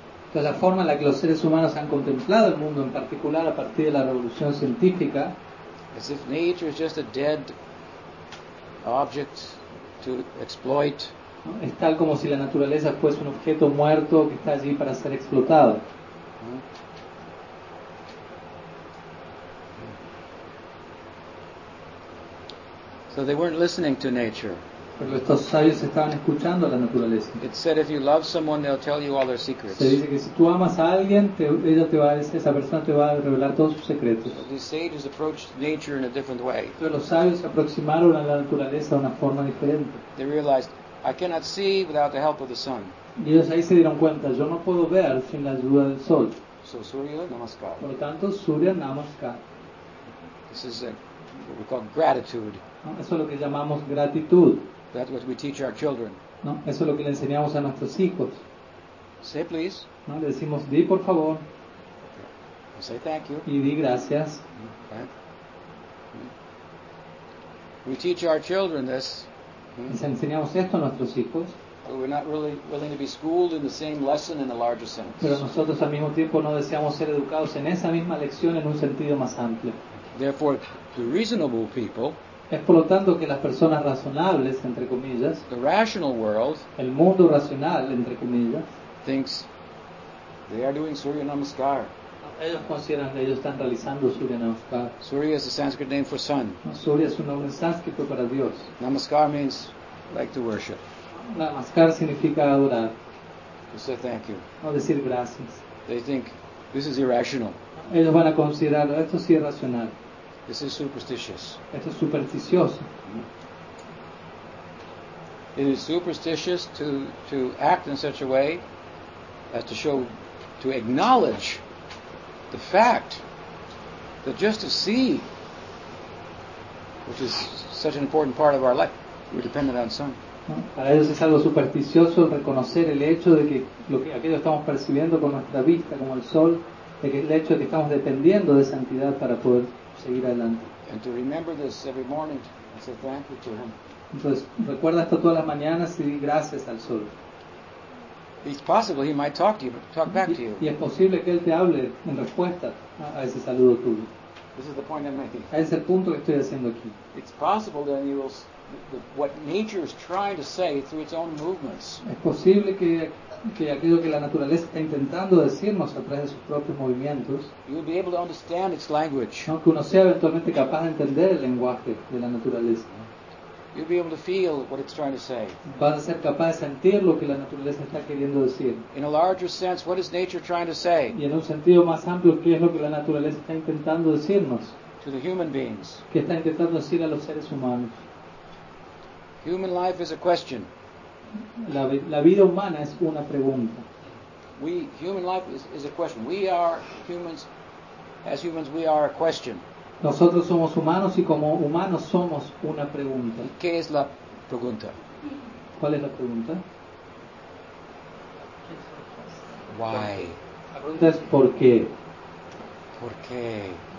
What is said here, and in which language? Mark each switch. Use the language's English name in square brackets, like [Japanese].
[Spanish] Entonces, la forma en la que los seres humanos han contemplado el mundo, en particular a partir de la revolución científica, [English] as if nature is just a dead object to exploit. [Spanish] Es tal como si la naturaleza fuese un objeto muerto que está allí para ser explotado. [English] So they weren't listening to nature. [Spanish] Pero estos sabios estaban escuchando a la naturaleza. [English] It said if you love someone, they'll tell you all their secrets. [Spanish] Se dice que si tú amas a alguien, esa persona te va a revelar todos sus secretos. [English] So these sages approached nature in a different way. [Spanish] Pero los sabios se aproximaron a la naturaleza de una forma diferente. [English] They realized, I cannot see without the help of the sun. [Spanish] Y ellos ahí se dieron cuenta, yo no puedo ver sin la ayuda del sol. [English] So Surya Namaskar. [Spanish] Por lo tanto, Surya Namaskar. [English] This is what we call gratitude. [Spanish] Eso es lo que llamamos gratitud. [English] That's what we teach our children. [Spanish] No, eso es lo que le enseñamos a nuestros hijos. [English] Say please. [Spanish] No, le decimos di por favor. [English] Okay. Say thank you. [Spanish] Y di gracias. [English] Okay. We teach our children this. [Spanish] Les enseñamos esto a nuestros hijos. [English] But we're not really willing to be schooled in the same lesson in a larger sense. [Spanish] Pero nosotros al mismo tiempo no deseamos ser educados en esa misma lección en un sentido más amplio. [English] Therefore, the reasonable people, [Spanish] es por lo tanto que las personas razonables, entre comillas, [English] the rational world, [Spanish] el mundo racional, entre comillas, [English] thinks they are doing Surya Namaskar. [Spanish] Ellos consideran que ellos están realizando Surya Namaskar. [English] Surya is a Sanskrit name for sun. [Spanish] Surya es un nombre sánscrito para Dios. [English] Namaskar means like to worship. [Spanish] Namaskar significa adorar. [English] To say thank you. [Spanish] No decir gracias. [English] They think this is irrational. [Spanish] Ellos van a considerar esto es irracional. [English] This is superstitious. [Spanish] Esto es supersticioso. [English] It is superstitious to act in such a way as to show, to acknowledge the fact that just to see, which is such an important part of our life, we're dependent on sun. [Spanish] Para ellos es algo supersticioso reconocer el hecho de que lo que aquello estamos percibiendo con nuestra vista como el sol, de que el hecho de que estamos dependiendo de esa entidad para poder seguir adelante. [English] And to remember this every morning and say thank you to him. [Spanish] Entonces recuerda esto todas las mañanas y di gracias al sol. [English] It's possible he might talk to you, talk back to you. [Spanish] Y es posible que él te hable en respuesta a ese saludo tuyo. [English] This is the point I'm making. [Spanish] Es el punto que estoy haciendo aquí. [English] It's possible that you will what nature is trying to say through its own movements. [Spanish] Es posible que aquello que la naturaleza está intentando decirnos a través de sus propios movimientos. [English] You will be able to understand its language. [Spanish] No, que uno sea eventualmente capaz de entender el lenguaje de la naturaleza. [English] You'll be able to feel what it's trying to say. [Spanish] Vas a ser capaz de sentir lo que la naturaleza está queriendo decir. [English] In a larger sense, what is nature trying to say? [Spanish] Y en un sentido más amplio, ¿qué es lo que la naturaleza está intentando decirnos? [English] To the human beings. [Spanish] ¿Qué está intentando decir a los seres humanos? [English] Human life is a question. [Spanish] La vida humana es una pregunta. [English] We human life is a question. We are humans. As humans, we are a question. [Spanish] Nosotros somos humanos y como humanos somos una pregunta. ¿Qué es la pregunta? ¿Cuál es la pregunta? [English] Why? [Spanish] La pregunta es ¿por qué? ¿Por qué?